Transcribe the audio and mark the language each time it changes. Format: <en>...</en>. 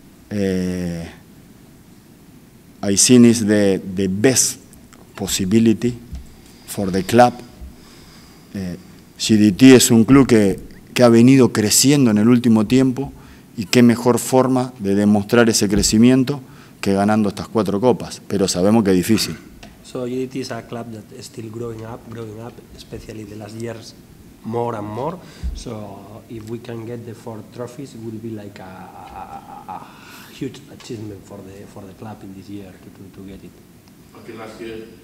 <en>I think it's the best possibility for the club.</en> <es>CDT es un club que ha venido creciendo en el último tiempo y qué mejor forma de demostrar ese crecimiento que ganando estas cuatro copas. Pero sabemos que es difícil.</es> <en>So UDT is a club that is still growing up, especially the last years, more and more. So if we can get the four trophies, it will be like a huge achievement for the club in this year to get it. Okay, last year,</en>